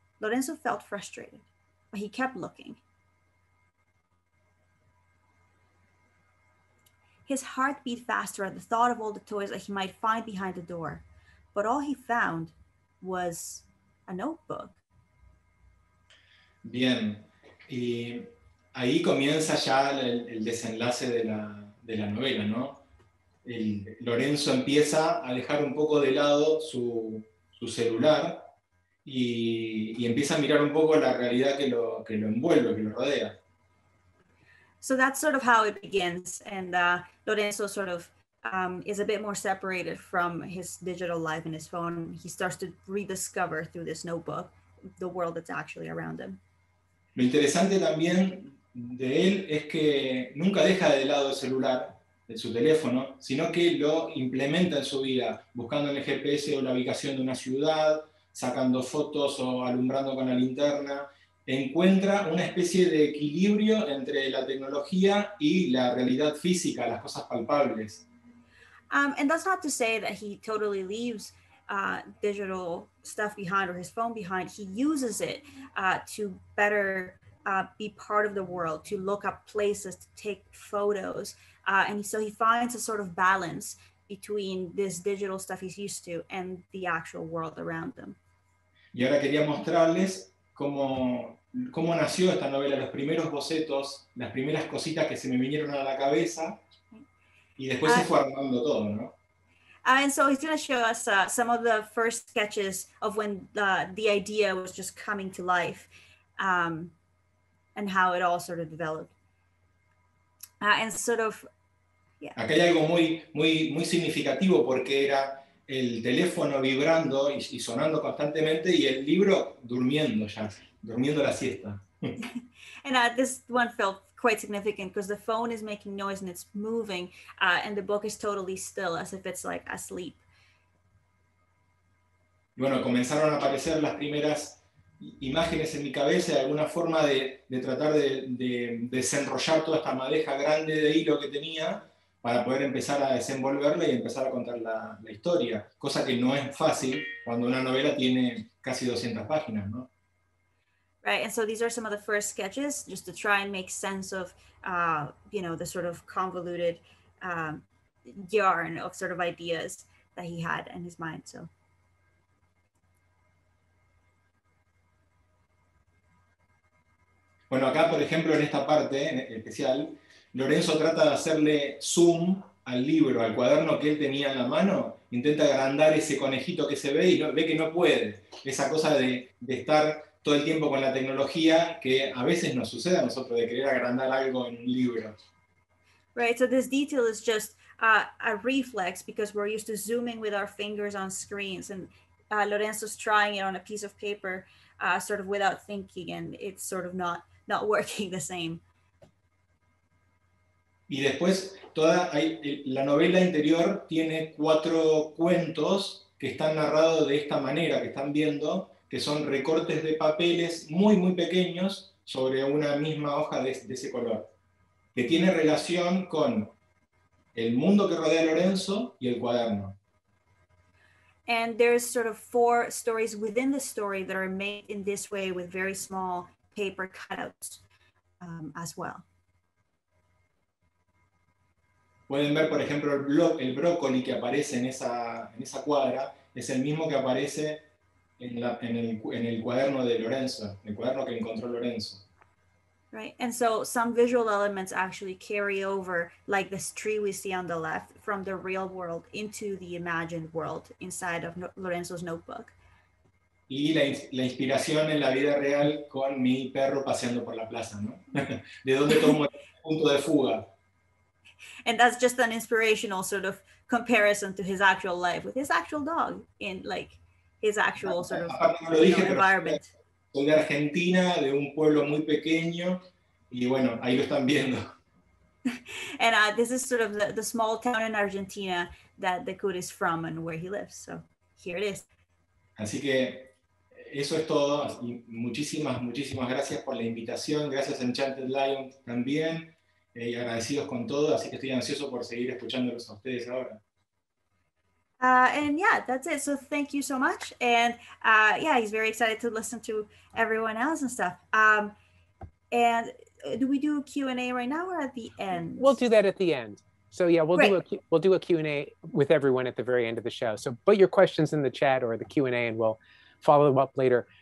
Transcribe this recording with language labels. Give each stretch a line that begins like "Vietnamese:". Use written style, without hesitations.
English: Lorenzo felt frustrated, but he kept looking. His heart beat faster at the thought of all the toys that he might find behind the door, but all he found was a notebook.
Spanish: Bien. Ahí comienza ya el desenlace de la novela, ¿no? Lorenzo empieza a dejar un poco de lado su celular y empieza a mirar un poco la realidad que lo envuelve, que lo rodea.
English: So that's sort of how it begins, and Lorenzo sort of is a bit more separated from his digital life and his phone. He starts to rediscover through this notebook the world that's actually around him.
Spanish: Lo interesante también de él es que nunca deja de lado el celular, de su teléfono, sino que lo implementa en su vida, buscando en el GPS o la ubicación de una ciudad, sacando fotos o alumbrando con la linterna, encuentra una especie de equilibrio entre la tecnología y la realidad física, las cosas palpables.
English: And that's not to say that he totally leaves digital stuff behind or his phone behind. He uses it to better be part of the world, to look up places, to take photos. And so he finds a sort of balance between this digital stuff he's used to and the actual world around them.
Spanish: Y ahora quería mostrarles cómo nació esta novela, los primeros bocetos, las primeras cositas que se me vinieron a la cabeza, y después se fue armando todo, ¿no?
English: And so he's going to show us some of the first sketches of when the idea was just coming to life. And how it all sort of developed.
Spanish: Acá hay algo muy, muy, muy significativo porque era el teléfono vibrando y sonando constantemente y el libro durmiendo ya, durmiendo la siesta.
English: And this one felt quite significant because the phone is making noise and it's moving and the book is totally still as if it's like asleep.
Spanish: Y bueno, comenzaron a aparecer las primeras imágenes en mi cabeza, de alguna forma de tratar de desenrollar toda esta madeja grande de hilo que tenía para poder empezar a desenvolverla y empezar a contar la historia, cosa que no es fácil cuando una novela tiene casi 200 páginas, ¿no?
English: Right, and so these are some of the first sketches, just to try and make sense of, you know, the sort of convoluted yarn of sort of ideas that he had in his mind, so.
Spanish: Bueno, acá, por ejemplo, en esta parte en especial, Lorenzo trata de hacerle zoom al libro, al cuaderno que él tenía en la mano, intenta agrandar ese conejito que se ve y ve que no puede. Esa cosa de estar todo el tiempo con la tecnología que a veces nos sucede a nosotros, de querer agrandar algo en un libro.
English: Right, so this detail is just a reflex because we're used to zooming with our fingers on screens and Lorenzo's trying it on a piece of paper sort of without thinking and it's sort of not working the same.
Spanish: Y después toda la novela interior tiene cuatro cuentos que están narrados de esta manera que están viendo, que son recortes de papeles muy muy pequeños sobre una misma hoja de ese color, que tiene relación con el mundo que rodea a Lorenzo y el cuaderno.
English: And there's sort of four stories within the story that are made in this way with very small paper cutouts as well.
Spanish: Pueden ver, por ejemplo, el brócoli que aparece en esa cuadra es el mismo que aparece en el cuaderno de Lorenzo, el cuaderno que encontró Lorenzo.
English: Right, and so some visual elements actually carry over, like this tree we see on the left, from the real world into the imagined world inside of Lorenzo's notebook.
Spanish: Y la inspiración en la vida real con mi perro paseando por la plaza, ¿no? ¿De dónde tomo el punto de fuga?
English: And that's just an inspirational sort of comparison to his actual life with his actual dog in like his actual sort of environment.
Spanish: Soy de Argentina, de un pueblo muy pequeño, y bueno, ahí lo están viendo.
English: And this is sort of the small town in Argentina that Decur is from and where he lives. So here it is.
Spanish: Así que eso es todo. Y muchísimas, muchísimas gracias por la invitación. Gracias Enchanted Lion también. Y agradecidos con todo. Así que estoy ansioso por seguir escuchándolos a ustedes ahora.
English: And yeah, that's it. So thank you so much. And yeah, he's very excited to listen to everyone else and stuff. And do we do a Q&A right now or at the end? We'll do that at the end. So yeah, we'll do a Q&A with everyone at the very end of the show. So put your questions in the chat or the Q&A and we'll follow them up later.